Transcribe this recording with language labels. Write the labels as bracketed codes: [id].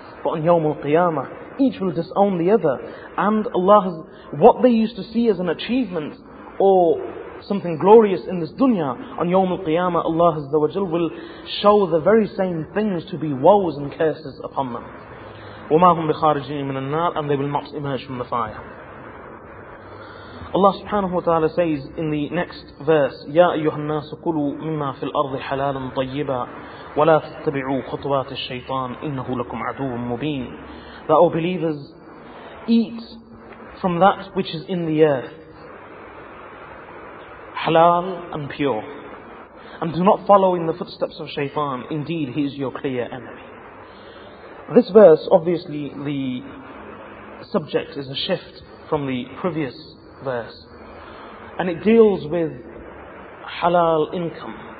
[en] But on Yawm al-Qiyamah, each will disown the other. And Allah has, what they used to see as an achievement or something glorious in this dunya, on Yawm al-Qiyamah, Allah Azza wa Jal will show the very same things to be woes and curses upon them. [ar] وَمَا هُمْ بِخَارِجِينَ مِنَ النَّارِ, [en] and they will not emerge from the fire. Allah subhanahu wa ta'ala says in the next verse, [ar] يَا أَيُّهَا النَّاسُ كُلُوا مِمَّا فِي الْأَرْضِ حَلَالًا طَيِّبًا وَلَا تَتَّبِعُوا خُطُوَاتِ الشَّيْطَانِ إِنَّهُ لَكُمْ عَدُوٌ مُبِينٌ. [en] That, O believers, eat from that which is in the earth, halal and pure, and do not follow in the footsteps of shaitan. Indeed, he is your clear enemy. This verse, obviously, the subject is a shift from the previous verse, and it deals with halal income.